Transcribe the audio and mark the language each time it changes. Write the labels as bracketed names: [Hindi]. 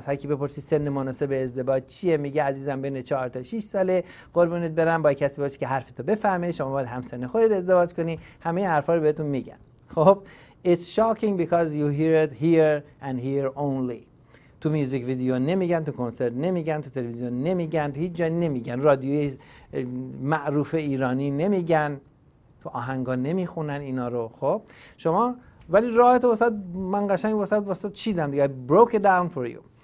[Persian] از هر کی بپرسید سن مناسب ازدواج چیه میگه عزیزم بین 4 تا 6 ساله، قربونت برم، با کسی باشی که حرفتو بفهمه، شما باید همسن خودت ازدواج کنی، همه این حرفا رو بهتون میگن. [English] خب It's shocking because you hear it here and here only. [Persian] تو میوزیک ویدیو نمیگن، تو کنسرت نمیگن، تو تلویزیون نمیگن، هیچ جا نمیگن، رادیوی معروف ایرانی نمیگن، تو آهنگا نمیخونن اینا رو. خب شما ولی راه تو وسط من قشنگ وسط چیدم دیگه، [English] broke it down for you.